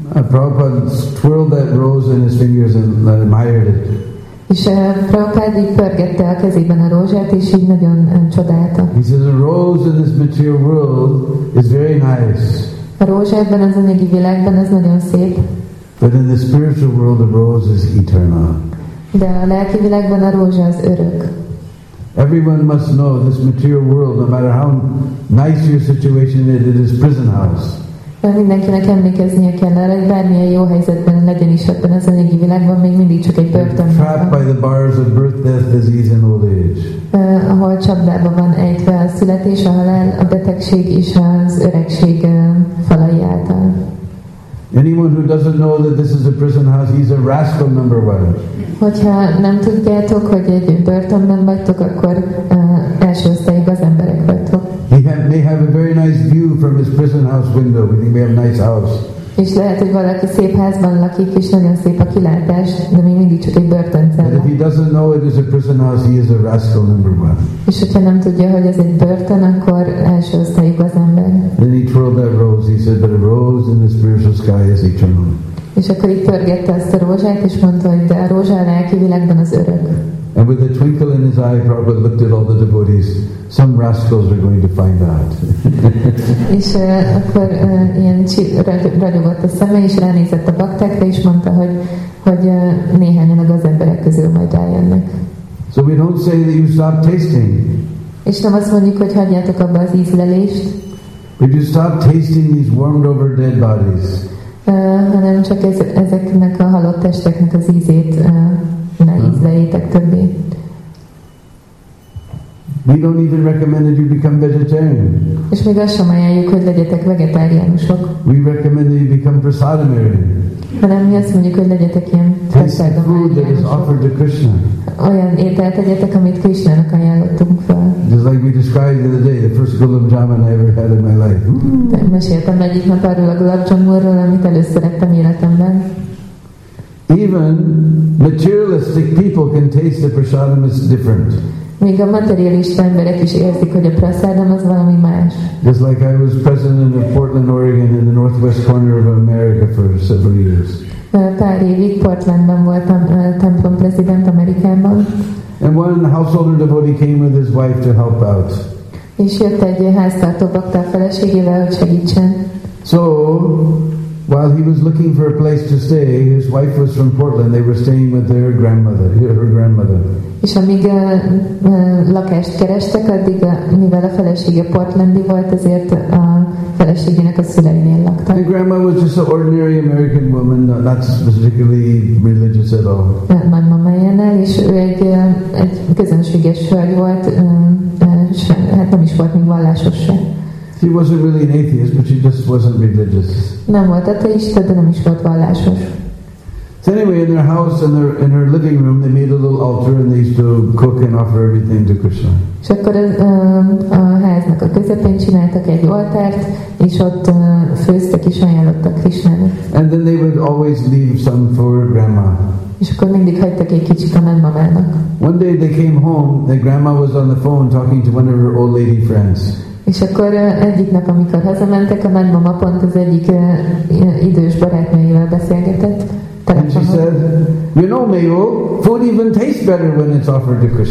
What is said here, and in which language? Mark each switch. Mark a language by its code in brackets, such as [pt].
[en] Prabhupada twirled that rose in his fingers and admired it. [hu] És Prabhupád így pörgette a kezében a rózsát, és így nagyon csodálta. [en] He says, a rose in this material world is very nice. [hu] A rózsa ebben az anyagi világban az nagyon szép. [en] But in the spiritual world, the rose is eternal. [hu] De a lelki világban a rózsa az örök. [en] Everyone must know this material world, no matter how nice your situation is, it is prison house. [hu] Mindenkinek emlékeznie kell arra, hogy bármilyen jó helyzetben legyen is ebben az anyagi világban, még mindig csak egy börtön. [en] Trapped by the bars of birth, death, disease and old age. [hu] Ahol csapdában van ejtve a születés, a halál, a betegség és az öregség falai által. [en] Anyone who doesn't know that this is a prison house, he's a rascal number one. [hu] Hogyha nem tudjátok, hogy egy börtönben vagytok, akkor első osztályig az emberek vagytok. [en] He may have a very nice view from his prison house window. He may have a nice house. [hu] És lehet, hogy valaki szép házban lakik, és nagyon szép a kilátás, de még mindig csak egy börtöncella. [en] But if he doesn't know it is a prison house, he is a rascal number one. [hu] És hogyha nem tudja, hogy ez egy börtön, akkor első osztályig az ember. [en] Then he twirled that rose. He said, but a rose in the spiritual sky is eternal. [hu] És akkor így pörgette ezt a rózsát, és mondta, hogy de a rózsa a lelki világban az örök. [en] And with a twinkle in his eye, Prabhupada looked at all the devotees. Some rascals are going to find out. [hu] És akkor ilyen ragyogott a szeme, és ránézett a baktákra, és mondta, hogy néhányan a gazemberek közül majd eljönnek. [en] So we don't say that you stop tasting. [hu] És nem azt mondjuk, hogy hagyjátok abba az ízlelést. [en] But you stop tasting these warmed over dead bodies. [hu] Hanem csak ezeknek a halott testeknek az ízét ízlejétek többé. [en] We don't even recommend that you become vegetarian. [hu] És még azt sem ajánljuk, hogy legyetek vegetáriánusok. [en] We recommend that you become prasadamarian. [hu] Hanem mi azt mondjuk, hogy legyetek ilyen prasadamarianusok. Olyan ételt egyetek, amit Krishnának ajánlottunk fel. [en] Just like we described the other day, the first gulab jamun I ever had in my life. [hu] Meséltem egyik nap arról a gulab jamunról, amit először ettem életemben. [en] Even materialistic people can taste the prasadam is different. [hu] Még a materialista emberek is érzik, hogy a prasadam az valami más. [en] Just like I was president of Portland, Oregon, in the northwest corner of America for several years. [hu] Pár évig Portlandban voltam templom prezident Amerikában. [en] And one householder devotee came with his wife to help out. [hu] És jött egy háztartó bakta feleségével, hogy segítsen. [en] So while he was looking for a place to stay, his wife was from Portland. They were staying with their grandmother, her grandmother. [hu] És amíg lakást kerestek, addig, mivel a felesége portlandi volt, ezért a feleségének a szüleinél laktak. [en] The grandma was just an ordinary American woman, not specifically religious at all. [hu] My mama jönnel, és ő egy közönséges hölgy volt, hát nem is volt még vallásos se. [en] She wasn't really an atheist, but she just wasn't religious. [hu] Nem volt ateista, de nem is volt vallásos. [en] So anyway, in their house, in her living room, they made a little altar, and they used to cook and offer everything to Krishna. [hu] És akkor a háznak a közepén csináltak egy oltárt, és ott főztek és ajánlottak Krishnának. [en] And then they would always leave some for grandma. [hu] És akkor mindig hagytak egy kicsit a nagymamának. [en] One day they came home, the grandma was on the phone talking to one of her old lady friends. [hu] És akkor egyik nap, amikor hazamentek, a nagymama pont az egyik idős barátnőjével beszélgetett. [en] And she said, you know, mayo, food even tastes better when it's offered to